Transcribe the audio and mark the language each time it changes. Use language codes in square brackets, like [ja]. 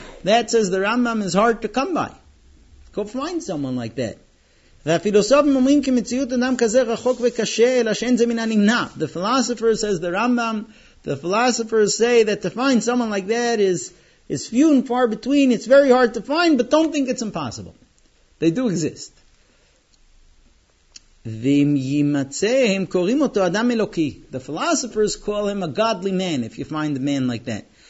[en] That says the Rambam is hard to come by. Go find someone like that. [he] והפילוסופים אומרים כי מציאות אדם כזה רחוק וקשה, אלא שאין זה מן הנמנע. [en] The philosopher says the Rambam, the philosophers say that to find someone like that is few and far between. It's very hard to find, but don't think it's impossible. They do exist. [he] Vim yimatze hem korim oto adam eloki. [en] The philosophers call him a godly man, if you find a man like that.